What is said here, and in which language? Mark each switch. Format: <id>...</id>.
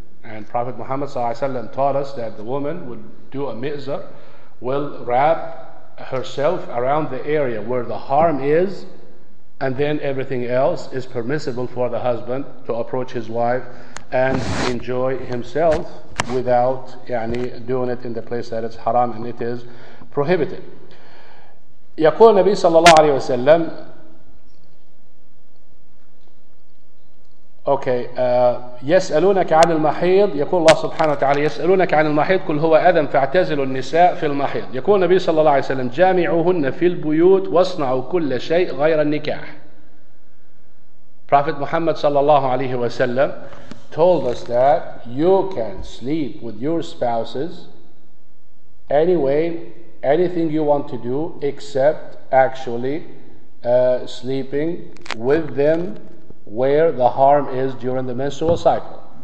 <en>And Prophet Muhammad sallallahu alaihi wasallam taught us that the woman would do a mi'zar, will wrap herself around the area where the harm is, and then everything else is permissible for the husband to approach his wife and enjoy himself without يعني, doing it in the place that it's haram and it is prohibited.</en> <ar>يقول النبي صلى الله عليه وسلم. Okay, يسألونك عن المحيض. يقول الله سبحانه وتعالى يسألونك عن المحيض قل هو أذى فاعتزلوا النساء في المحيض. يقول النبي صلى الله عليه وسلم جامعوهن في البيوت واصنعوا كل شيء غير النكاح.</ar> <en>Prophet Muhammad</en> <ar>صلى الله عليه وسلم</ar> <en>told us that you can sleep with your spouses anyway, anything you want to do except actually sleeping with them where the harm is during the menstrual cycle.</en>